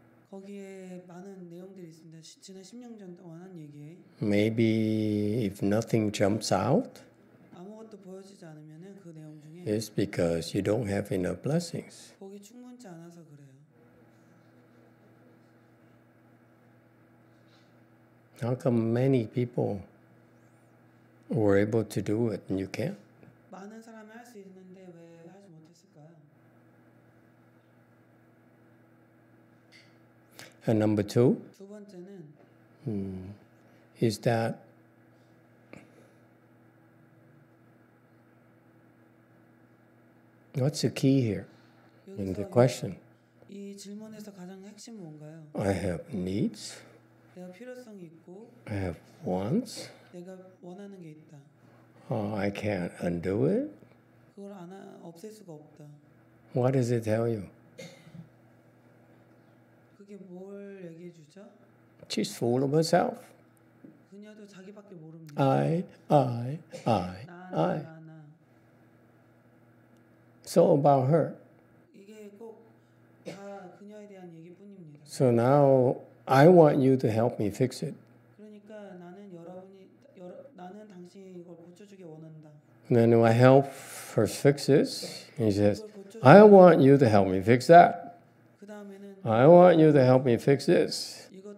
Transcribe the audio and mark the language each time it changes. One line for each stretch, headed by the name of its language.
Korean: 거기에 많은 내용들이 있습니다. 지난 10년 전 동안 한 얘기에.
English: Maybe if nothing jumps out,
Korean: 아무것도 보여지지 않으면은 그 내용 중에.
English: It's because you don't have enough blessings.
Korean: 거기 충분치 않아서 그래요.
English: How come many people were able to do it and you can't?
Korean: 많은 사람이 할 수 있는데 왜 하지 못했을까요?
English: And number two,
Korean: 두 번째는,
English: is that what's the key here in the question?
Korean: 이 질문에서 가장 핵심 뭔가요?
English: I have needs.
Korean: 내가 필요성이 있고.
English: I have wants.
Korean: 내가 원하는 게 있다.
English: Oh, I can't undo it.
Korean: 그걸 안 없앨 수가 없다.
English: What does it tell you?
Korean: 그게 뭘 얘기해 주죠?
English: She's full of herself.
Korean: 그녀도 자기밖에 모릅니다.
English: I.
Korean: 나.
English: So about her.
Korean: 이게 꼭 다 그녀에 대한 얘기뿐입니다.
English: So now I want you to help me fix it.
Korean: 그러니까 나는 여러분이 나는 당신이 이걸 고쳐주길 원한다.
English: And then I help her fix this. He says, I want you to help me fix that. I want you to help me fix this.